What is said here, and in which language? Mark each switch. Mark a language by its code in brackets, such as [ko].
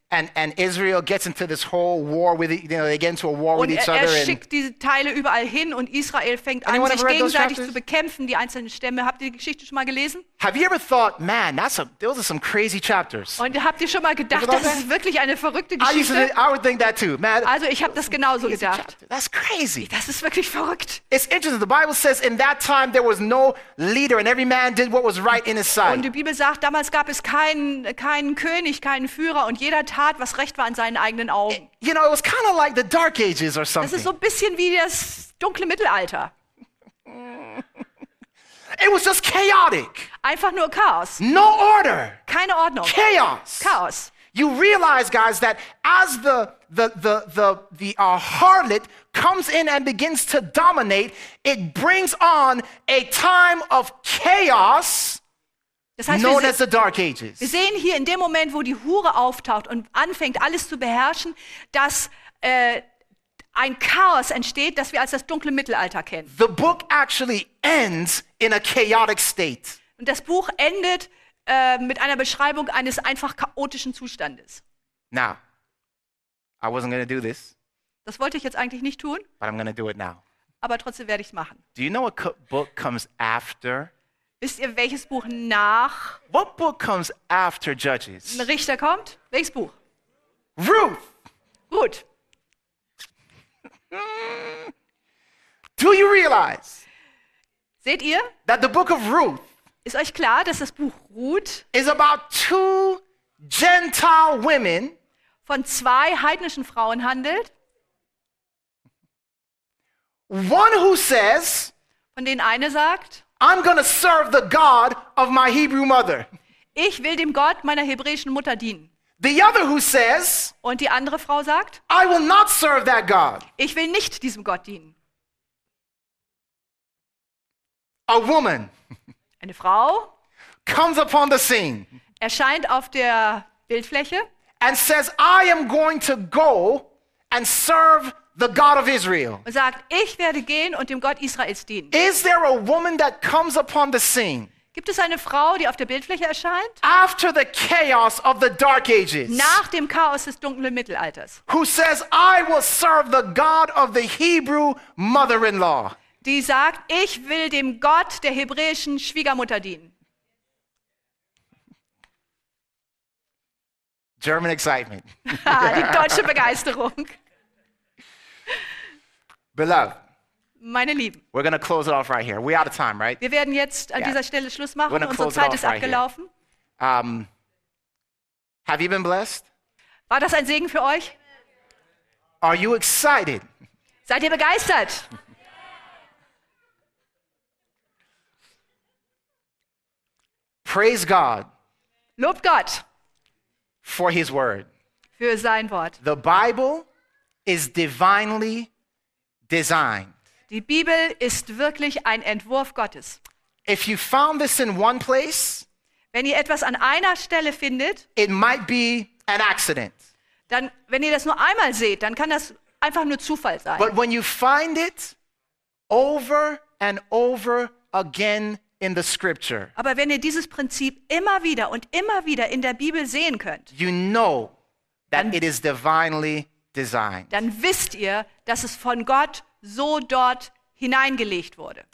[en] And Israel gets into this whole war with, you know, they get into a war [de] und [en] with each other. [de] Und er schickt diese Teile überall hin und Israel fängt an, sich gegenseitig zu bekämpfen, die einzelnen Stämme. Habt ihr die Geschichte schon mal gelesen? [en] Have you ever thought, man, that's a, those are some crazy chapters. [de] Und habt ihr schon mal gedacht, das ist wirklich eine verrückte Geschichte? [en] I would think that too, man. [de] Also ich habe das genauso gedacht. [en] Chapter. That's crazy. [de] Das ist wirklich verrückt. [en] It's interesting. The Bible says, in that time there was no leader and every man did what was right in his sight. [de] Und die Bibel sagt, damals gab es keinen König, keinen Führer und jeder tat, was recht war in seinen eigenen Augen. [en] You know, it was kind of like the Dark Ages or something. [de] Das ist so ein bisschen wie das dunkle Mittelalter. [en] It was just chaotic. [de] Einfach nur Chaos. [en] No order. [de] Keine Ordnung. [en] Chaos. [de] Chaos. [en] You realize, guys, that as the harlot comes in and begins to dominate, it brings on a time of chaos. [de] Das heißt, [en] known as the Dark Ages. [de] Wir sehen hier in dem Moment, wo die Hure auftaucht und anfängt, alles zu beherrschen, dass ein Chaos entsteht, das wir als das dunkle Mittelalter kennen. [en] The book actually ends in a chaotic state. [de] Und das Buch endet mit einer Beschreibung eines einfach chaotischen Zustandes. [en] Now, I wasn't gonna do this. [de] Das wollte ich jetzt eigentlich nicht tun. [en] But I'm gonna do it now. [de] Aber trotzdem werde ich es machen. [en] Do you know what book comes after? [de] Wisst ihr, welches Buch nach? [en] What book comes after Judges? [de] Ein Richter kommt. Welches Buch? [en] Ruth. [de] Ruth. [en] Do you realize? [de] Seht ihr? [en] That the book of Ruth. [de] Ist euch klar, dass das Buch Ruth [en] is about two Gentile women [de] von zwei heidnischen Frauen handelt. [en] One who says, [de] von denen eine sagt, [en] I'm going to serve the God of my Hebrew mother. [de] Ich will dem Gott meiner hebräischen Mutter dienen. [en] The other who says, [de] und die andere Frau sagt, [en] I will not serve that God. [de] Ich will nicht diesem Gott dienen. [en] A woman. [de] Eine Frau [en] comes upon the scene. [de] Erscheint auf der Bildfläche [en] and says, I am going to go and serve the God of Israel. [de] Und sagt, ich werde gehen und dem Gott Israels dienen. [en] Is there a woman that comes upon the scene? [de] Gibt es eine Frau, die auf der Bildfläche erscheint? [en] After the chaos of the dark ages. [de] Nach dem Chaos des dunklen Mittelalters. [en] Who says, I will serve the God of the Hebrew mother-in-law. [de] Die sagt, ich will dem Gott der hebräischen Schwiegermutter dienen. [en] German excitement. [de] Die deutsche Begeisterung. [en] Beloved. [de] Meine Lieben. [en] We're going to close it off right here. We're out of time, right? [de] Wir werden jetzt an dieser Stelle Schluss machen. Unsere Zeit ist abgelaufen. [en] Right have you been blessed? [de] War das ein Segen für euch? [en] Are you excited? [de] Seid ihr begeistert? [en] Praise God. [de] Lobt Gott. [en] For his word. [de] Für sein Wort. [en] The Bible is divinely designed. [de] Die Bibel ist wirklich ein Entwurf Gottes. [en] If you found this in one place, [de] wenn ihr etwas an einer Stelle findet, [en] it might be an accident. [de] Dann, wenn ihr das nur einmal seht, dann kann das einfach nur Zufall sein. [en] But when you find it over and over again in the scripture. [de] Aber wenn ihr dieses Prinzip immer wieder und immer wieder in der Bibel sehen könnt, [en] you know that it is divinely designed. [de] Dann wisst ihr, dass es von Gott so dort hineingelegt wurde.